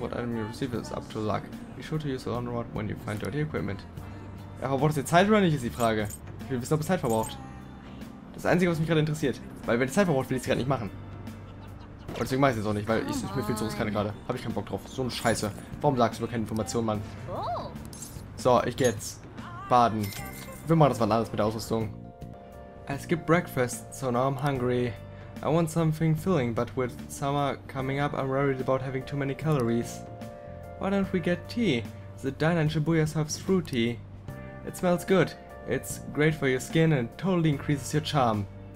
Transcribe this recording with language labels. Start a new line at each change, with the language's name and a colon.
English: What item you receive is up to luck. Be sure to use the on rod when you find dirty equipment.
German: Ja, verbraucht es jetzt Zeit oder nicht, ist die Frage. Ich will wissen, ob es Zeit verbraucht. Das Einzige, was mich gerade interessiert. Weil wenn es Zeit verbraucht, will ich es gerade nicht machen. Und deswegen mache ich es jetzt auch nicht, weil ich es mir viel zu riskant gerade. Habe ich keinen Bock drauf. So eine Scheiße. Warum sagst du mir keine Informationen, Mann? So, ich geh jetzt. Baden. Wir machen das mal anders mit der Ausrüstung.
English: I skipped breakfast, so now I'm hungry. I want something filling, but with summer coming up, I'm worried about having too many calories. Why don't we get tea? The diner in Shibuya serves fruit tea. It smells good. It's great for your skin and totally increases your charm.